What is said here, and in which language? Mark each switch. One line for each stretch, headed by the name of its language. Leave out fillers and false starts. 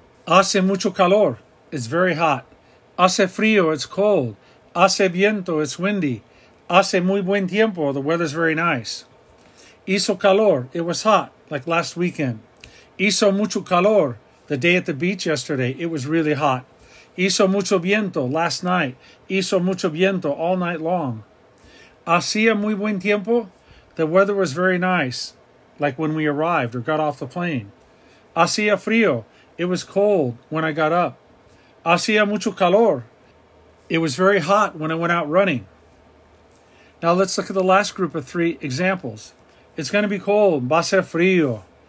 Spanish: Hace mucho calor.
English: It's very hot.
Spanish: Hace frío.
English: It's cold.
Spanish: Hace viento.
English: It's windy.
Spanish: Hace muy buen tiempo.
English: The weather's very nice.
Spanish: Hizo calor.
English: It was hot, like last weekend.
Spanish: Hizo mucho calor.
English: The day at the beach yesterday, it was really hot.
Spanish: Hizo mucho viento
English: last night.
Spanish: Hizo mucho viento
English: all night long.
Spanish: Hacía muy buen tiempo.
English: The weather was very nice, like when we arrived or got off the plane.
Spanish: Hacía frío.
English: It was cold when I got up.
Spanish: Hacía mucho calor.
English: It was very hot when I went out running. Now let's look at the last group of three examples. It's going to be cold.
Spanish: Va a ser frío.